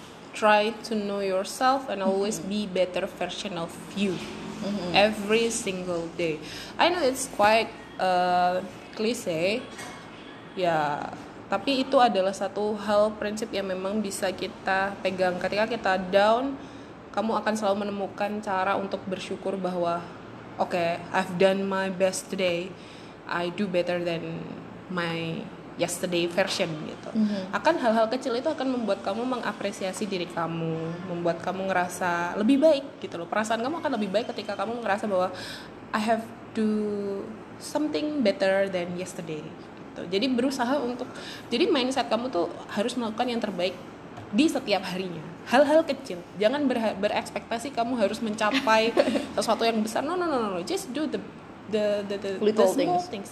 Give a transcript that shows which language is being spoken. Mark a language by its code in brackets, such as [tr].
[en] Try to know yourself and always be better version of you every single day. I know it's quite cliche, ya. [id] Tapi itu adalah satu hal prinsip yang memang bisa kita pegang. Ketika kita down, kamu akan selalu menemukan cara untuk bersyukur bahwa [en] okay, I've done my best today. I do better than my yesterday version gitu. [id] Akan hal-hal kecil itu akan membuat kamu mengapresiasi diri kamu, membuat kamu ngerasa lebih baik gitu loh. Perasaan kamu akan lebih baik ketika kamu ngerasa bahwa [en] I have do something better than yesterday [id] gitu. Jadi berusaha untuk, jadi mindset kamu tuh harus melakukan yang terbaik di setiap harinya. Hal-hal kecil. Jangan berekspektasi kamu harus mencapai sesuatu yang besar. [en] No. Just do the little small things.